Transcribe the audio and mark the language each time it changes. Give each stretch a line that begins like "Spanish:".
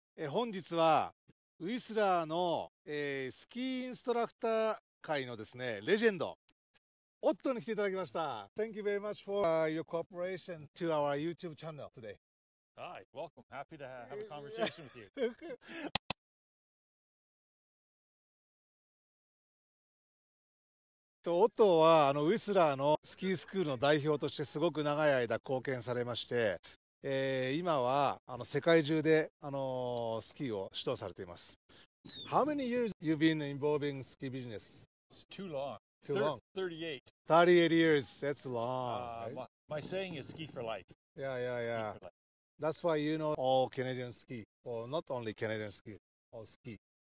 Japanese: 本日はウィスラーの、スキーインストラクター界のですねレジェンドオットに来ていただきました。
English: Thank you very much for your cooperation to our YouTube channel today. Hi, welcome. Happy to have a conversation with you.
Japanese: オットーはあのウィスラーのスキースクールの代表としてすごく長い間貢献されまして、今はあの世界中で、スキーを指導されています。
English: How many years have you been involving ski business? It's too long. Too long. 38. 38 years. That's long. My saying is ski for life. Yeah. That's why you know all Canadian ski. Well, not only Canadian ski, all ski.